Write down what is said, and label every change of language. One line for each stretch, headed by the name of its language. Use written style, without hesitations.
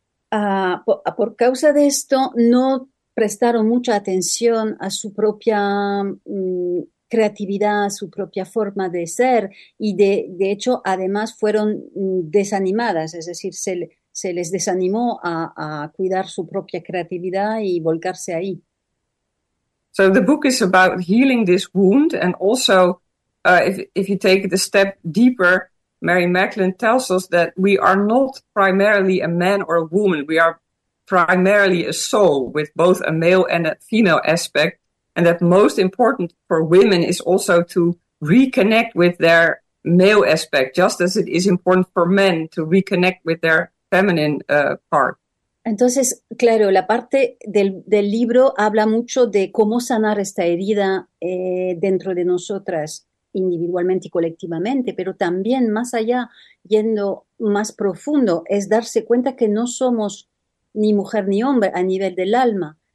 Spanish: Por causa de esto, no prestaron mucha atención a su propia creatividad, su propia forma de ser, y de hecho además fueron desanimadas, es decir, se les desanimó a cuidar su propia creatividad y volcarse ahí.
English: So the book is about healing this wound, and also if you take it a step deeper, Mary Magdalene tells us that we are not primarily a man or a woman, we are primarily a soul with both a male and a female aspect. And that most important for women is also to reconnect with their male aspect, just as it is important for men to reconnect with their feminine part.
Spanish: Entonces, claro, la parte del libro habla mucho de cómo sanar esta herida dentro de nosotras individualmente y colectivamente, pero también más allá, yendo más profundo, es darse cuenta que no somos ni mujer ni hombre a nivel del alma.